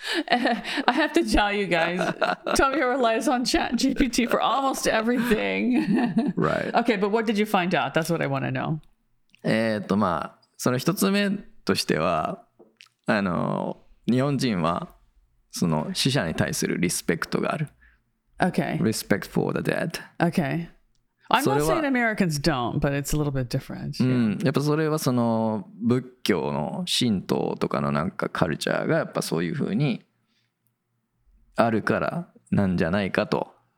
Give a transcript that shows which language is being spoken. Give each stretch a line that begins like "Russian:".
English: I have to tell you guys, Tommy relies on chat GPT for almost everything. Right. Okay, but what did you find out? That's what I want to know.
Japanese: まあ、その一つ目としては、日本人はその死者に対するリスペクトがある。
English: Okay. Respect for the dead. Okay. I'm not saying Americans don't, but it's a little bit different. Yeah.
Japanese: やっぱそれはその仏教の神道とかのなんかカルチャーがやっぱそういう風にあるからなんじゃないかと。